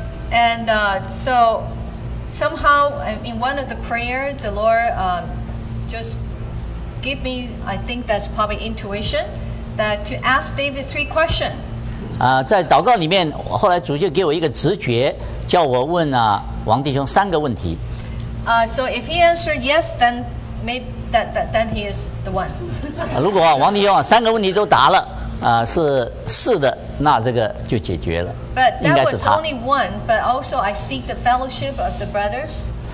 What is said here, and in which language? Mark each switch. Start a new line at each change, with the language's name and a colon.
English: And so, somehow, in one of the prayers, the Lord just gave me, I think that's probably intuition, that to ask David three questions.
Chinese: 在祷告里面，后来主就给我一个直觉，叫我问王弟兄三个问题。
English: So if he answered yes, then maybe that he is the one.
Chinese: 如果王弟兄三个问题都答了。是的，那这个就解决了。
English: But that
Chinese: 应该是他。
English: Was only one, but also I seek the fellowship of the brothers.